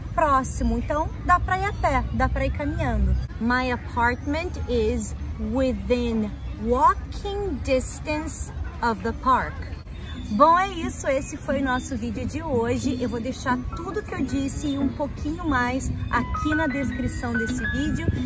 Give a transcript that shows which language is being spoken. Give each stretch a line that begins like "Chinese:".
Portuguese: próximo, então dá pra ir a pé, dá pra ir caminhando.
English: My apartment is within walking distance of the park.
Portuguese: Bom, é isso. Esse foi o nosso vídeo de hoje. Eu vou deixar tudo que eu disse e um pouquinho mais aqui na descrição desse vídeo.